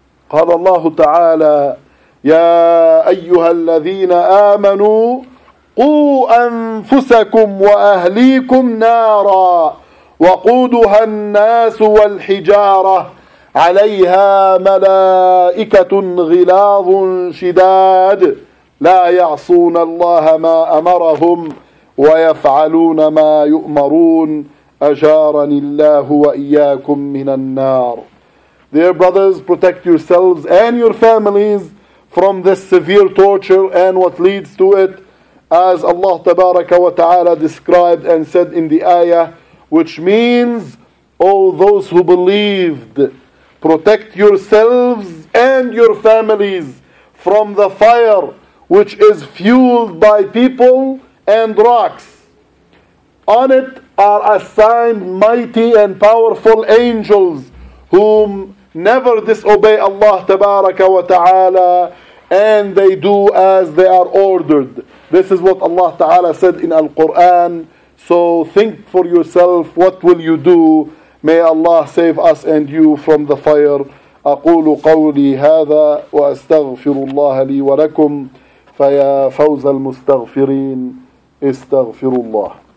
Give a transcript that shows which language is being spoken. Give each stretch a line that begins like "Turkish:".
Arabic: قال الله تعالى يَا أَيُّهَا الَّذِينَ آمَنُوا قُوا أَنفُسَكُمْ وَأَهْلِيكُمْ نَارًا وَقُودُهَا النَّاسُ وَالْحِجَارَةِ عليها ملائكة غلاظ شداد لا يعصون الله ما أمرهم ويفعلون ما يؤمرون أجارني الله وإياكم من النار.
English: Dear brothers, protect yourselves and your families from this severe torture and what leads to it, as Allah
Arabic: تبارك وتعالى
English: described and said in the ayah, which means, all those who believed, protect yourselves and your families from the fire which is fueled by people and rocks. On it are assigned mighty and powerful angels whom never disobey Allah tabaraka wa ta'ala, and they do as they are ordered. This is what Allah ta'ala said in Al-Quran. So think for yourself, what will you do? May Allah save us and you from the fire.
Arabic: أقول قولي هذا وأستغفر الله لي ولكم فيا فوز المستغفرين استغفر الله.